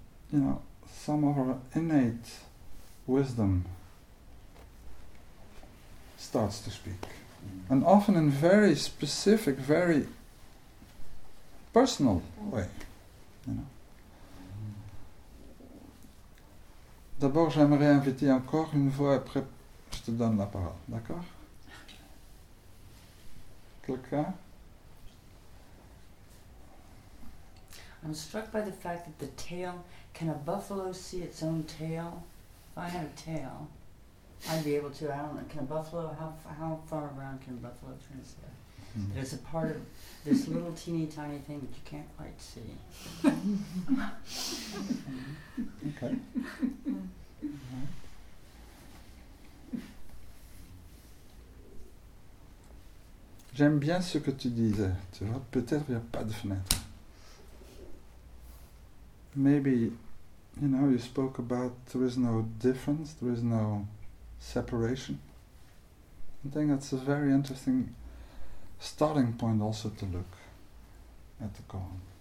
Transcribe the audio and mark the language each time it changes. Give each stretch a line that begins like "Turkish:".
English: You know, some of our innate wisdom starts to speak. And often in very specific, very personal way. You know.
French: D'abord, j'aimerais inviter encore une fois après. Je te donne la parole, d'accord? Quelqu'un?
English: I'm struck by the fact that the tail, can a buffalo see its own tail? If I had a tail, I'd be able to. I don't know. Can a buffalo, how far around can a buffalo transfer? Mm. There's a part of this little teeny tiny thing that you can't quite see. Okay.
French: J'aime bien ce que tu disais. Tu vois, peut-être il n'y a pas de fenêtre.
English: Maybe, you know, you spoke about there is no difference, there is no separation. I think that's a very interesting starting point also to look at the koan.